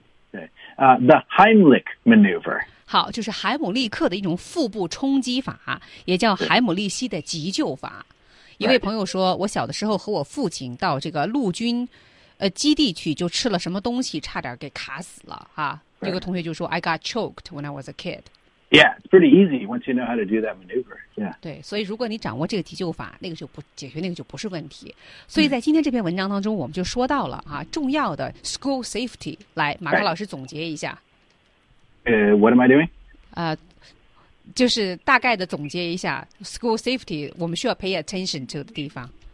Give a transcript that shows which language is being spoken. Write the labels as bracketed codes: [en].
[en] 对啊、，the Heimlich maneuver。 [zh] 好，就是海姆立克的一种腹部冲击法，也叫海姆立西的急救法。一位朋友说， [en] right. [zh] 我小的时候和我父亲到这个陆军。基地去就吃了什么东西，差点给卡死了啊！有、 [en] right. [zh] 个同学就说 [en] ，I got choked when I was a kid. Yeah, it's pretty easy once you know how to do that maneuver. Yeah. [zh] 对，所以如果你掌握这个急救法，那个就不解决那个就不是问题。所以在今天这篇文章当中，我们就说到了啊，重要的 school safety。来，马克老师总结一下。 [en] What am I doing? [zh] 就是大概的总结一下 school safety， 我们需要 [en] pay attention to [zh] 的地方。